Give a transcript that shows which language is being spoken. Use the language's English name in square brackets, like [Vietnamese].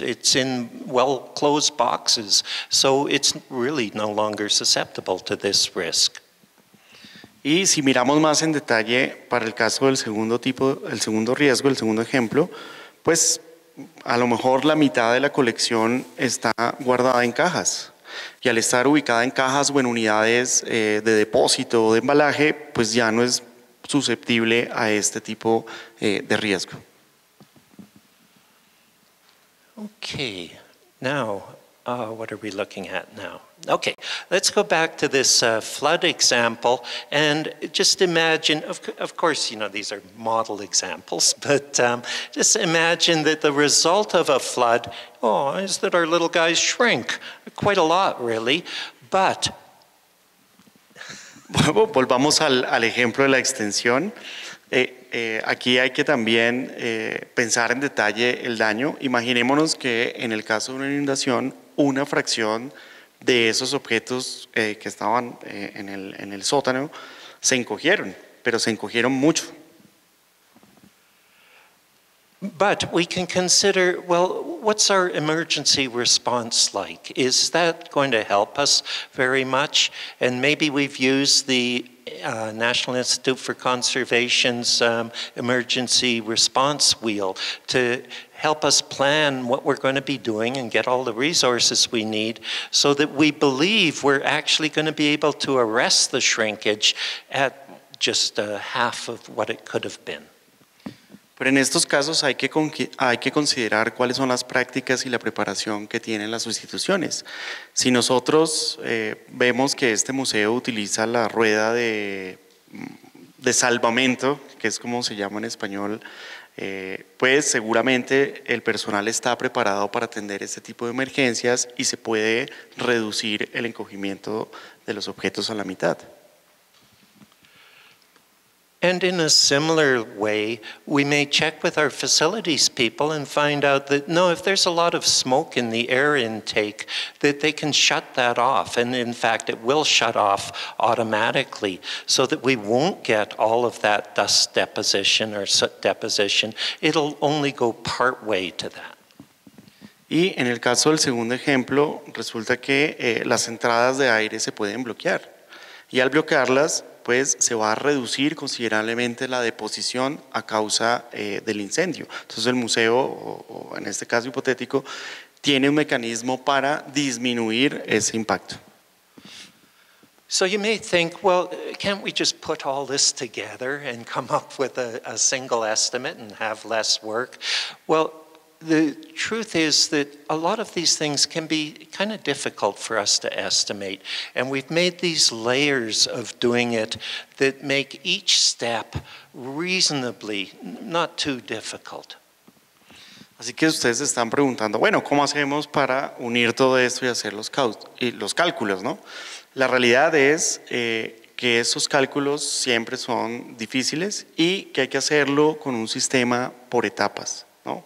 [English] It's in well-closed boxes. So it's really no longer susceptible to this risk. [Spanish] Y si miramos más en detalle para el caso del segundo tipo, el segundo riesgo, el segundo ejemplo, pues a lo mejor la mitad de la colección está guardada en cajas. Y al estar ubicada en cajas o en unidades de depósito o de embalaje, pues ya no es susceptible a este tipo de riesgo. [English] Okay, now, what are we looking at now? Okay, let's go back to this flood example and just imagine, of course, you know, these are model examples, but just imagine that the result of a flood is that our little guys shrink quite a lot, really, but... [Spanish] Bueno, volvamos al ejemplo de la extensión. Aquí hay que también pensar en detalle el daño. Imaginémonos que en el caso de una inundación, una fracción de esos objetos que estaban en el sótano se encogieron, pero se encogieron mucho. [English] But we can consider, well, what's our emergency response like? Is that going to help us very much? And maybe we've used the National Institute for Conservation's emergency response wheel to help us plan what we're going to be doing and get all the resources we need so that we believe we're actually going to be able to arrest the shrinkage at just half of what it could have been. [Spanish] Pero en estos casos hay que considerar cuáles son las prácticas y la preparación que tienen las instituciones. Si nosotros vemos que este museo utiliza la rueda de salvamento, que es como se llama en español, pues seguramente el personal está preparado para atender este tipo de emergencias y se puede reducir el encogimiento de los objetos a la mitad. [English] And in a similar way, we may check with our facilities people and find out that, no, if there's a lot of smoke in the air intake, that they can shut that off. And in fact, it will shut off automatically so that we won't get all of that dust deposition or soot deposition. It'll only go part way to that. [Spanish] Y en el caso del segundo ejemplo, resulta que las entradas de aire se pueden bloquear. Y al bloquearlas, pues se va a reducir considerablemente la deposición a causa del incendio. Entonces el museo, o en este caso hipotético, tiene un mecanismo para disminuir ese impacto. [English] So you may think, well, can't we just put all this together and come up with a single estimate and have less work? Well, the truth is that a lot of these things can be kind of difficult for us to estimate. And we've made these layers of doing it that make each step reasonably not too difficult. [Spanish] Así que ustedes están preguntando, bueno, ¿cómo hacemos para unir todo esto y hacer los cálculos, ¿no? La realidad es que esos cálculos siempre son difíciles y que hay que hacerlo con un sistema por etapas. ¿No?